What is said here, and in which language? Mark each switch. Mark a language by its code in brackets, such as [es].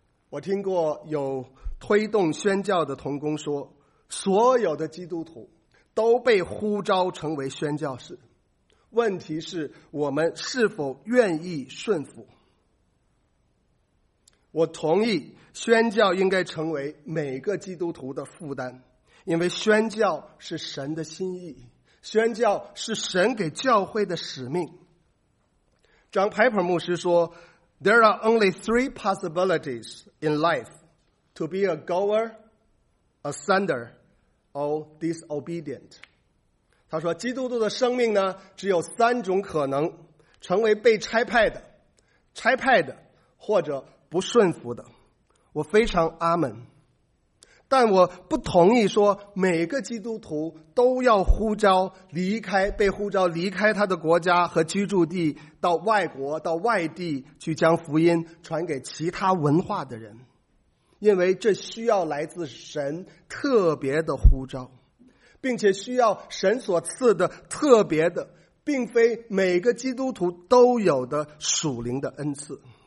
[zh] 我听过有推动宣教的同工说，所有的基督徒都被呼召成为宣教士，问题是我们是否愿意顺服。我同意宣教应该成为每个基督徒的负担，因为宣教是神的心意，宣教是神给教会的使命。 [en] John Piper [zh] 牧师说， [en] There are only three possibilities in life: to be a goer, a sender, or disobedient. [zh] 他说基督徒的生命呢，只有三种可能，成为被差派的，差派的，或者不顺服的。我非常阿门，但我不同意说每个基督徒都要呼召离开，被呼召离开他的国家和居住地，到外国，到外地去将福音传给其他文化的人，因为这需要来自神特别的呼召，并且需要神所赐的特别的，并非每个基督徒都有的属灵的恩赐。